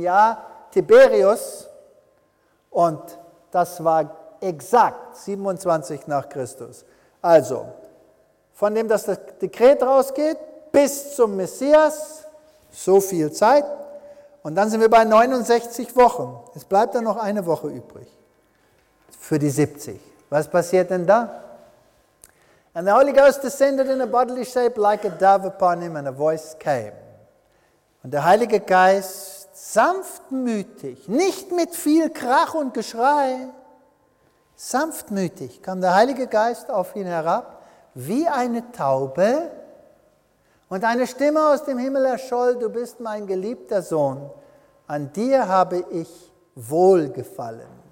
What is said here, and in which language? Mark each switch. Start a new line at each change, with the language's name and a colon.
German: Jahr Tiberius und das war exakt 27 nach Christus. Also, von dem, dass das Dekret rausgeht, bis zum Messias, so viel Zeit. Und dann sind wir bei 69 Wochen. Es bleibt dann noch eine Woche übrig für die 70. Was passiert denn da?
English: And the Holy Ghost descended in a bodily shape like a dove upon him, and a voice came.
German: Und der Heilige Geist, sanftmütig, nicht mit viel Krach und Geschrei, sanftmütig kam der Heilige Geist auf ihn herab, wie eine Taube, und eine Stimme aus dem Himmel erscholl, du bist mein geliebter Sohn, an dir habe ich Wohlgefallen.